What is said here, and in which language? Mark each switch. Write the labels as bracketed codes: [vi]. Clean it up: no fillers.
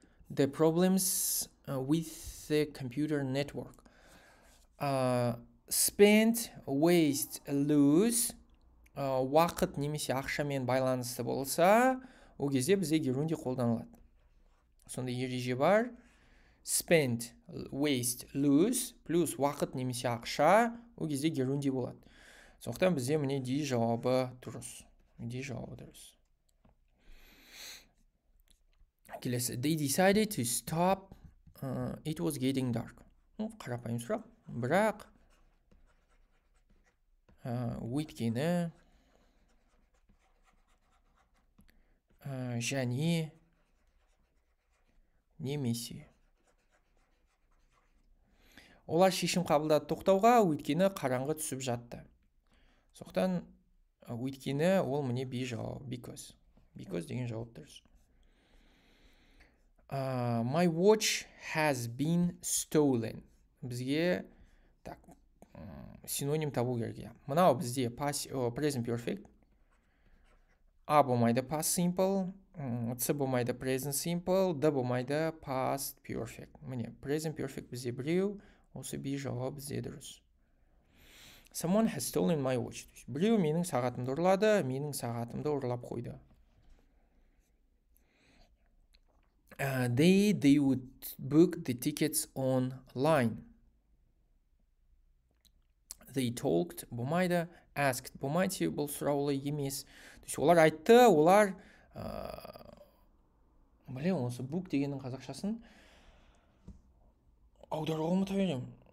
[en] The problems with the computer network. [kk] Spent, waste, lose, уақыт немесе ақшамен байланысты болса, о кезде бізде герунди қолданылады. Сонда ереже бар. Spent, waste, lose, плюс уақыт немесе ақша, о кезде герунди болады. Сондықтан бізде міне D жауабы дұрыс. D жауабы дұрыс. [en] Келесі. They decided to stop. It was getting dark. [kk] Қарапайым сұрақ. Бірақ, өйткені, және, немесе. Олар шешім қабылдады тоқтауға, өйткені қараңғы түсіп жатты. Сондықтан, өйткені ол міне бей жауап, because. Because деген жауап дұрыс. [en] My watch has been stolen. [kk] Бізге... [ru] Так, [kk] синоним табу керек. Мынау бізде present perfect. A болмайды past simple. C болмайды present simple. D болмайды past perfect. Міне, present perfect бізде біреу. Осы бей жауап бізде дұрыс. [en] Someone has stolen my watch. [kk] Біреу менің сағатымды ұрлады, менің сағатымды ұрлап қойды. [en] They would book the tickets online. [kk] They talked, бұмайды, asked, бұмайды, бұл сұраулы емес. [ru] То есть, [kk] олар айтты, олар, біле, осы book дегенің қазақшасын, аударуға ұмыта берем.